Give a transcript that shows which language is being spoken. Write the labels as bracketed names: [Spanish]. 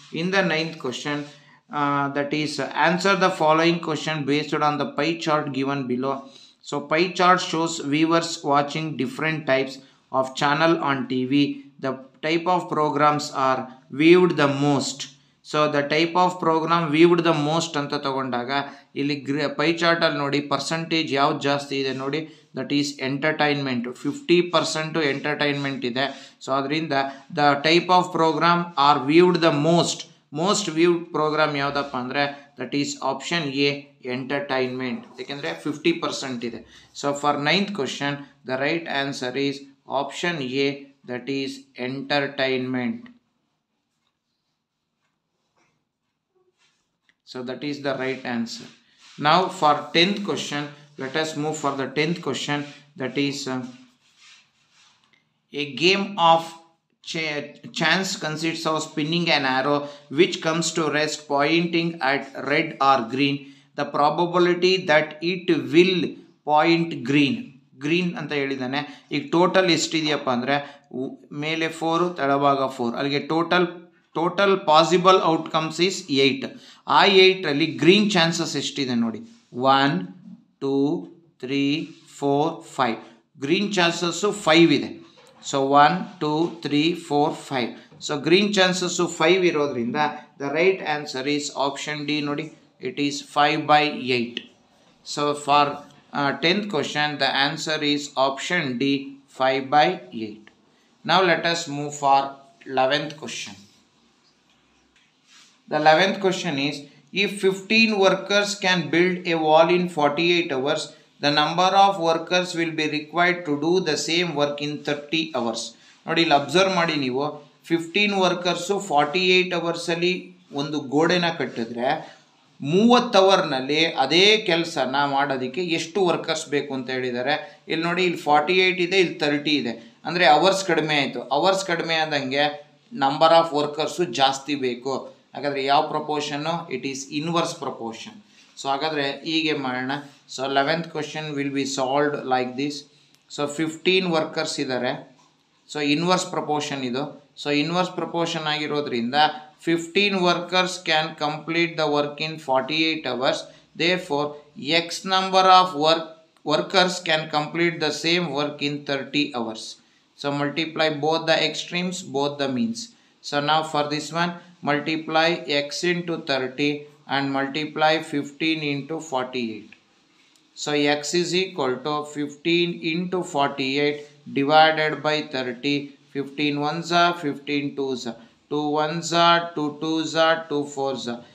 [English] In the 9th question, that is answer the following question based on the pie chart given below. So pie chart shows viewers watching different types of channel on TV. The type of programs are viewed the most. [Kannada] So [English] the type of program viewed the most [Kannada] ಅಂತ ತಗೊಂಡಾಗ ಇಲ್ಲಿ pi ಚಾರ್ಟಲ್ಲಿ ನೋಡಿ percentage ಯಾವ್ದು ಜಾಸ್ತಿ ಇದೆ ನೋಡಿ, [English] that is entertainment, [Kannada] 50% entertainment ಇದೆ. So ಅದರಿಂದ [English] the type of program are viewed the most, most viewed program [Kannada] ಯಾವುದಪ್ಪ ಅಂದರೆ [English] that is option A, [Kannada] entertainment, ಏಕೆಂದರೆ 50% ಇದೆ. [English] So for 9th question the right answer is option A, that is entertainment. So that is the right answer. Now for 10th question, let us move for the 10th question. That is a game of chance consists of spinning an arrow which comes to rest pointing at red or green. The probability that it will point green. [Kannada] Green ಅಂತ ಹೇಳಿದ್ದಾನೆ. ಈಗ total ಎಷ್ಟಿದೆಯಪ್ಪ ಅಂದರೆ ಮೇಲೆ 4, ತಳಭಾಗ 4, ಅಲ್ಲಿಗೆ [English] Total possible outcomes is 8. [Kannada] ಆ 8 ಅಲ್ಲಿ green chances ಎಷ್ಟಿದೆ ನೋಡಿ, 1, 2, 3, 4, 5. ಗ್ರೀನ್ ಚಾನ್ಸಸ್ಸು 5 ಇದೆ. ಸೊ 1, 2, 3, 4, 5. ಸೊ ಗ್ರೀನ್ ಚಾನ್ಸಸ್ಸು 5 ಇರೋದ್ರಿಂದ [English] the right answer is option D [Kannada] ನೋಡಿ, [English] It is 5/8. So for 10th question the answer is option D, 5/8. ನಾವು let us move for 11th question. The 11th question is, if 15 workers can build a wall in 48 hours, the number of workers will be required to do the same work in 30 hours. [Kannada] ನೋಡಿ, ಇಲ್ಲಿ observe ಮಾಡಿ ನೀವು, 15 workers 48 ಅವರ್ಸಲ್ಲಿ ಒಂದು ಗೋಡೆನ ಕಟ್ಟಿದ್ರೆ 30 ಅವರ್ನಲ್ಲಿ ಅದೇ ಕೆಲಸನ ಮಾಡೋದಕ್ಕೆ ಎಷ್ಟು ವರ್ಕರ್ಸ್ ಬೇಕು ಅಂತ ಹೇಳಿದ್ದಾರೆ. ಇಲ್ಲಿ ನೋಡಿ, ಇಲ್ಲಿ 48 ಇದೆ, ಇಲ್ಲಿ 30 ಇದೆ, ಅಂದರೆ ಅವರ್ಸ್ ಕಡಿಮೆ ಆಯಿತು. ಅವರ್ಸ್ ಕಡಿಮೆ ಆದಂಗೆ ನಂಬರ್ ಆಫ್ ವರ್ಕರ್ಸು ಜಾಸ್ತಿ ಬೇಕು. ಹಾಗಾದರೆ ಯಾವ ಪ್ರಪೋರ್ಷನ್ನು? [English] It is inverse proportion. [Kannada] So ಹಾಗಾದರೆ ಹೀಗೆ ಮಾಡೋಣ. [English] So 11th question will be solved like this. So [Kannada] 15 workers ಇದ್ದಾರೆ, [English] So inverse proportion ಇದು. So inverse proportion [Kannada] ಆಗಿರೋದ್ರಿಂದ [English] 15 workers can complete the work in 48 hours, therefore x number of workers can complete the same work in 30 hours. So multiply both the extremes, both the means. So ನಾವು for this one multiply x into 30 and multiply 15 into 48. So x is equal to 15 into 48 divided by 30. 15 ones are 15 twos are 2 ones are 2 twos are 2 fours are.